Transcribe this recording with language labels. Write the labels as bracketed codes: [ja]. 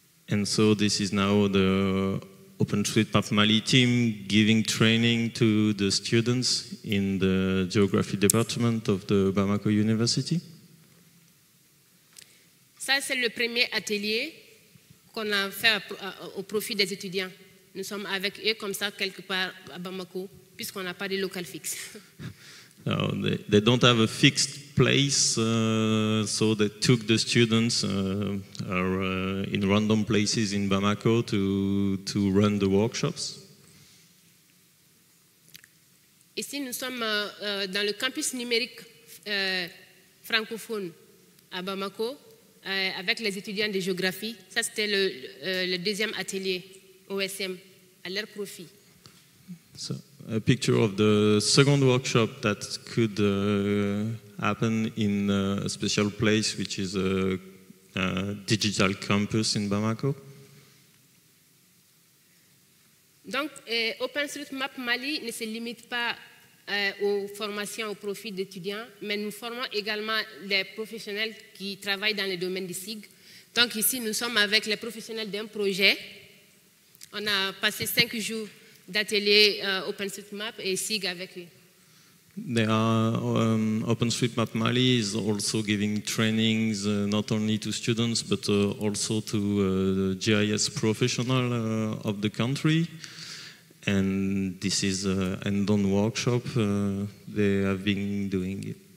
[en] And so this is now the OpenStreetMap Mali team giving training to the students in the geography department of the Bamako University. [fr] Ça, c'est le premier atelier qu'on a fait au profit des étudiants. Nous sommes avec eux comme ça, quelque part à Bamako, puisqu'on n'a pas de local fixe. [en] No, they don't have a fixed place, so they took the students in random places in Bamako to run the workshops. [fr] Ici, nous sommes dans le campus numérique francophone à Bamako, avec les étudiants de géographie. Ça, c'était le deuxième atelier OSM, à leur profit. [en] So, a picture of the second workshop that could happen in a special place, which is a digital campus in Bamako. [fr] Donc, OpenStreetMap Mali ne se limite pas aux formations au profit d'étudiants, mais nous formons également des professionnels qui travaillent dans le domaine du SIG. Donc ici, nous sommes avec les professionnels d'un projet. On a passé 5 jours d'atelier OpenStreetMap et SIG avec eux. [en] OpenStreetMap Mali is also giving trainings not only to students but also to the GIS professional of the country. And this is an end-on workshop they have been doing.